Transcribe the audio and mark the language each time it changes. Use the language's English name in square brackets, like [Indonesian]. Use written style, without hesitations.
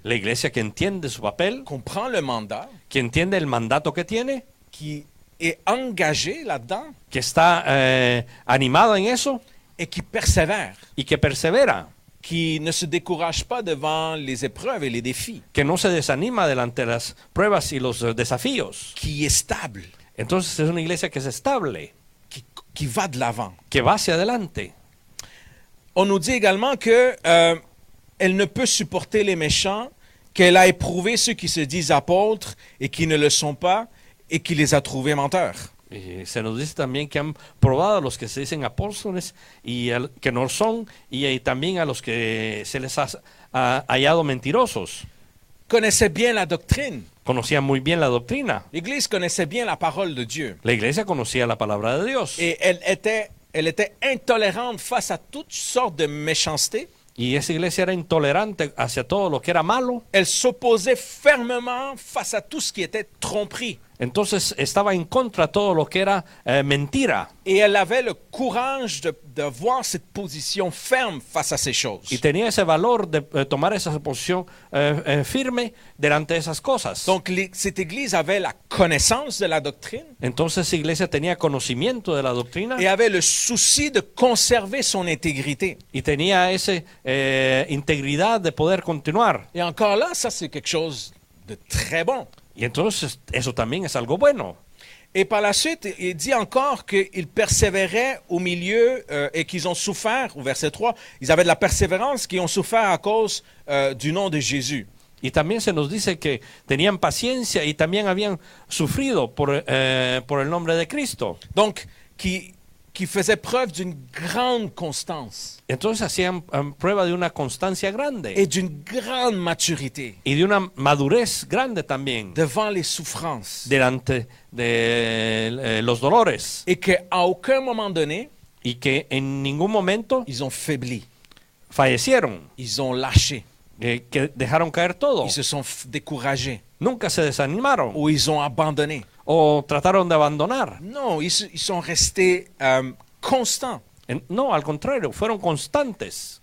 [Spanish] La iglesia que entiende su papel. [French] Comprend le mandat. [Spanish] Que entiende el mandato que tiene. [French] Qui est engagé là-dedans. [Spanish] Que está animado en eso. [French] Et qui persévère. [Spanish] Y que persevera. [French] Qui ne se décourage pas devant les épreuves et les défis. [Spanish] Que no se desanima delante de las pruebas y los desafíos. [French] Qui est stable. [Spanish] Entonces es una iglesia que es estable. [French] Qui va de l'avant. [Spanish] Que va hacia adelante. [French] On nous dit également que elle ne peut supporter les méchants, qu'elle a éprouvé ceux qui se disent apôtres et qui ne le sont pas, et qui les a trouvés menteurs. [Spanish] Y se nos dice también que han probado a los que se dicen apóstoles y que no son, y también a los que se les ha hallado mentirosos. [French] Connaissait bien la doctrine. [Spanish] Conocía muy bien la doctrina. [French] L'Église connaissait bien la parole de Dieu. [Spanish] La iglesia conocía la palabra de Dios. [French] Et elle était intolérante face à toutes sortes de méchancetés. [Spanish] Y esa iglesia era intolerante hacia todo lo que era malo. [French] Elle s'opposait fermement face à tout ce qui était tromperie. [Spanish] Entonces estaba en contra todo lo que era mentira. [French] Et elle avait le courage de voir cette position ferme face à ces choses. [Spanish] Y tenía ese valor de tomar esa posición firme delante de esas cosas. [French] Donc cette église avait la connaissance de la doctrine. [Spanish] Entonces esa iglesia tenía conocimiento de la doctrina. [French] Et avait le souci de conserver son intégrité. [Spanish] Y tenía esa integridad de poder continuar. [French] Et encore là, ça c'est quelque chose de très bon. [Spanish] Y entonces eso también es algo bueno. [French] Et par la suite, il dit encore qu'ils persévéraient au milieu et qu'ils ont souffert, au verset 3, ils avaient de la persévérance, qu'ils ont souffert à cause du nom de Jésus. [Spanish] Y también se nos dice que tenían paciencia y también habían sufrido por el nombre de Cristo. [French] Donc, qui faisaient preuve d'une grande constance. [Spanish] Entonces hacían prueba de una constancia grande. [French] Et d'une grande maturité. [Spanish] Y de una madurez grande también. [French] Devant les souffrances. [Spanish] Delante de los dolores. [French] Et que à aucun moment donné. [Spanish] Y que en ningún momento. [French] Ils ont faibli. [Spanish] Fallecieron. [French] Ils ont lâché. [Spanish] Que dejaron caer todo. [French] Ils se sont découragés. [Spanish] Nunca se desanimaron. [French] Ou ils ont abandonné. [Spanish] O trataron de abandonar. [French] No, ils sont restés constants. [Spanish] No, al contrario, fueron constantes.